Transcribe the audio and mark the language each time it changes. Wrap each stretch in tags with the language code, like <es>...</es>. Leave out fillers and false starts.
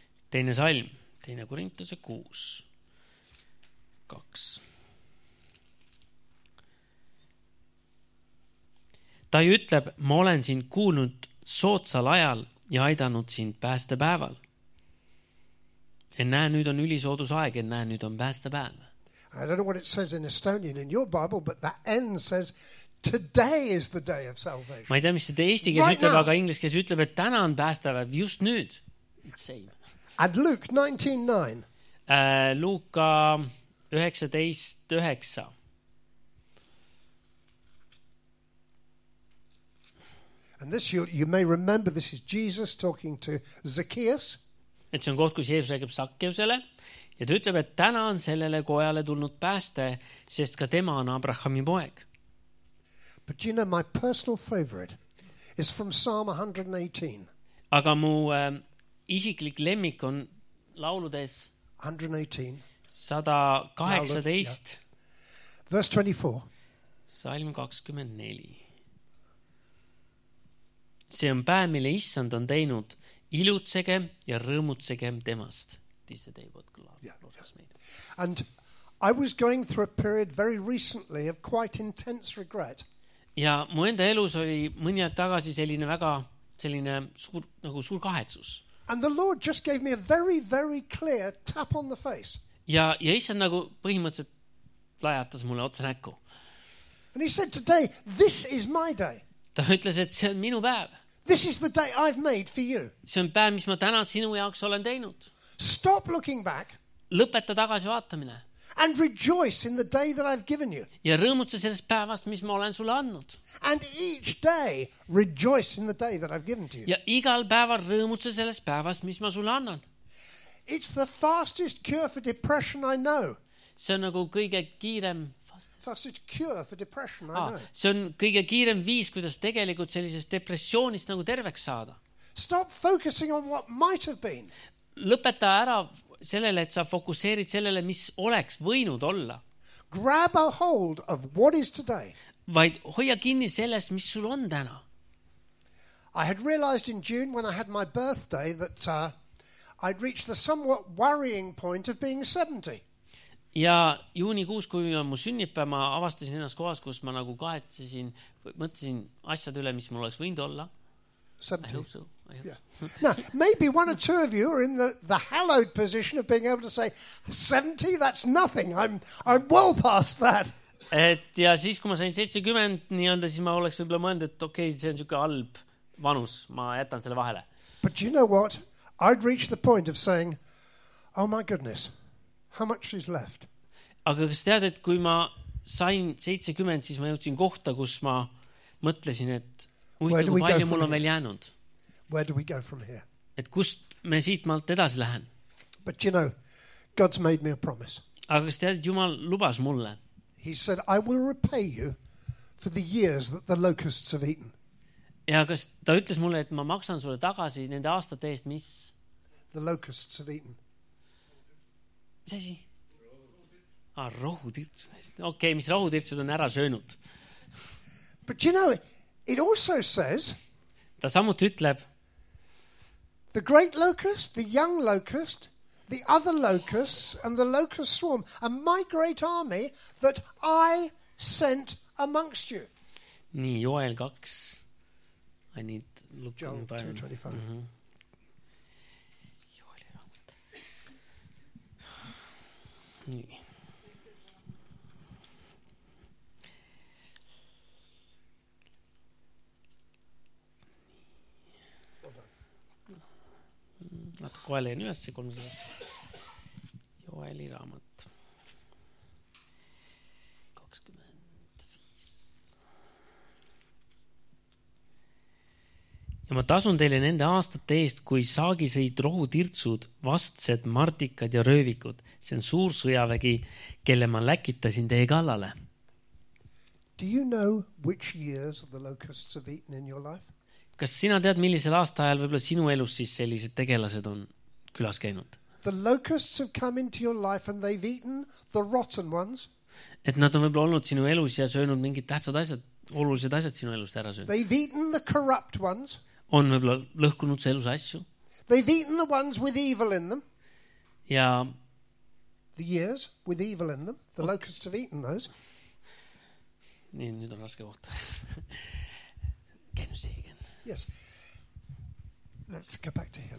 <et>Teine salm. Teine Korintuse 6. 2. Ta ütleb, ma olen sind kuulnud soodsal ajal ja aidanud sind päästepäeval. En näe, nüüd on ülisoodus aeg, en näe, nüüd on päästepäev.</et> <en>I don't know what it says in Estonian in your Bible, but that end says, today is the day of salvation.</en> <et>Ma ei tea, mis seda eesti keeles</et> <en>right</en> <et>ütleb,</et> <en>now.</en> <et>Aga inglise keeles ütleb, et täna on päästepäev, just nüüd.</et> <en>It's same. And Luke 19:9.</en> <et>Luka 19:9.</et> <en>And this you may remember, this is Jesus talking to Zacchaeus.</en> <et>Et see on koht, kus Jeesus räägib Sakkeusele. Ja ta ütleb, et täna on sellele kojale tulnud pääste, sest ka tema on Abrahami poeg.</et> <en>But you know, my personal favorite is from Psalm 118.</en> <et>Aga mu isiklik lemmik on lauludes</et> <en>118.</en> <et>118.</et> <en>Verse 24.</en> <et>Salm 24. See on päev, mille Issand on teinud, ilutsege ja rõõmutsege temast.</et> <en>This day what God has made. And I was going through a period very recently of quite intense regret.</en> <et>Ja mu enda elus oli mõni aeg tagasi selline väga selline suur nagu suur kahetsus.</et> <en>And the Lord just gave me a very very clear tap on the face.</en> <et>Ja Issand nagu põhimõtteliselt lajatas mulle otse näkku.</et> <en>And he said today this is my day.</en> <et>Ta ütles, et see on minu päev.</et> <en>This is the day I've made for you.</en> <et>See on päev, mis ma täna sinu jaoks olen teinud.</et> <en>Stop looking back.</en> <et>Lõpeta tagasi vaatamine.</et> <en>And rejoice in the day that I've given you.</en> <et>Ja rõõmutse sellest päevast, mis ma olen sulle annud.</et> <en>And each day rejoice in the day that I've given to you.</en> <et>Ja igal päeval rõõmutse sellest päevast, mis ma sulle annan.</et> <en>It's the fastest cure for depression I know.</en> <et>See on nagu kõige kiirem</et> <en>fastest cure for depression I know.</en> <et>See on kõige kiirem viis, kuidas tegelikult sellisest depressioonist nagu terveks saada.</et> <en>Stop focusing on what might have been.</en> <et>Lõpeta ära sellele, et sa fokuseerid sellele, mis oleks võinud olla.</et> <en>Grab a hold of what is today.</en> <et>Vaid hoia kinni sellest, mis sul on täna.</et> <en>I had realized in June when I had my birthday that I'd reached the somewhat worrying point of being 70.</en> <et>Ja juunikuus, kui on mu sünnipäev, ma avastasin ennast kohas, kus ma nagu kahetsesin, mõtlesin asjad üle, mis mul oleks võinud olla.</et> <en>70. I hope so. Yeah. Now, maybe one or two of you are in the hallowed position of being able to say 70, that's nothing. I'm well past that.</en> <et>Et ja siis kui ma sain 70, nii on, siis ma oleks võib-olla mõelnud, et okei, okay, see on siuke halb vanus. Ma jätan selle vahele.</et> <en>But you know what? I'd reached the point of saying, oh my goodness, how much is left?</en> <et>Aga kas tead, et kui ma sain 70, siis ma jõudsin kohta, kus ma mõtlesin, et kui palju mul on veel jäänud.</et> <en>Where do we go from here?</en> <et>Et kust me siit maalt edasi lähen?</et> <en>But you know, God's made me a promise.</en> <et>Aga kas tead, Jumal lubas mulle?</et> <en>He said, I will repay you for the years that the locusts have eaten.</en> <et>Ja kas ta ütles mulle, et ma maksan sulle tagasi nende aastate eest, mis?</et> <en>The locusts have eaten.</en> <et>Mis asi? Rohutirtsud. Okei, mis rohutirtsud on ära söönud.</et> <en>But you know, it also says,</en> <et>ta samuti ütleb,</et> <en>the great locust, the young locust, the other locusts and the locust swarm and my great army that I sent amongst you. Nii, Joel 2. I need to look Joel 2:25.</en> <et>Joel 2. Nii. Nii. Koelin yössä, kun se Joeli Raamattu. 25. Ja ma tasun teile nende aastate eest, kui saagiseid rohutirtsud, vastsed, martikad ja röövikud. See on suur sõjavägi, kelle ma läkitasin teie kallale.</et> <en>Do you know which years the locusts have eaten in your life?</en> <et>Kas sina tead, millisel aastaajal võib-olla sinu elus siis sellised tegelased on külas käinud?</et> <en>The locusts have come into your life and they've eaten the rotten ones.</en> <et>Et nad on võib-olla olnud sinu elus ja söönud mingid tähtsad asjad, olulised asjad sinu elust ära söönud.</et> <en>They've eaten the corrupt ones.</en> <et>On võib-olla lõhkunud see elus asju.</et> <en>They've eaten the ones with evil in them.</en> <et>Ja</et> <en>the years with evil in them. The locusts have eaten those.</en> <et>Nii, nüüd on raske koht.</et> <en>Can you see again? Yes. Let's go back to here.</en>